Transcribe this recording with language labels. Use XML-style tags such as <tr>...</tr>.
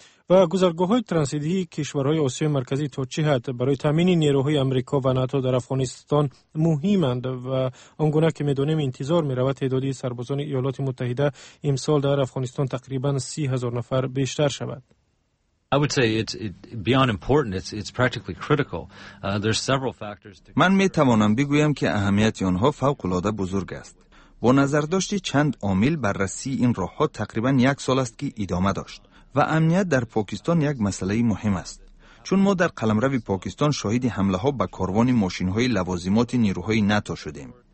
<fa>و گذرگاه‌های ترانزیتی کشورهای آسیای مرکزی تا چه حد برای تامین نیروهای آمریکا و ناتو در افغانستان مهمند و آنگونه که می‌دانیم انتظار می‌رود تعداد سربازان ایالات متحده امسال در افغانستان تقریبا 30,000 نفر بیشتر شود.</fa> <en>I would say it's beyond important, it's practically critical. There's several factors to...</en> <fa>من می توانم بگویم که اهمیت آنها فوق العاده بزرگ است. با نظر داشتی چند عامل بررسی این راه ها تقریبا یک سال است که ادامه داشت و امنیت در پاکستان یک مسئله مهم است، چون ما در قلمرو پاکستان شاهد حمله ها به کاروان ماشین های لوازمات نیروهای ناتو شدیم.</fa>